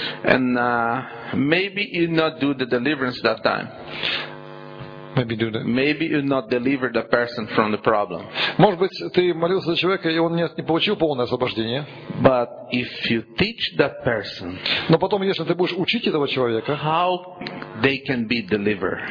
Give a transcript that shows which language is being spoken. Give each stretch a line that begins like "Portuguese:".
English: And maybe you not do the deliverance that time. Maybe you not deliver the person from the problem.
Russian: Может быть, ты молился за человека, и он не получил полное освобождение.
English: But if you teach that person.
Russian: Но потом, если ты будешь учить этого человека,
English: how they can be delivered.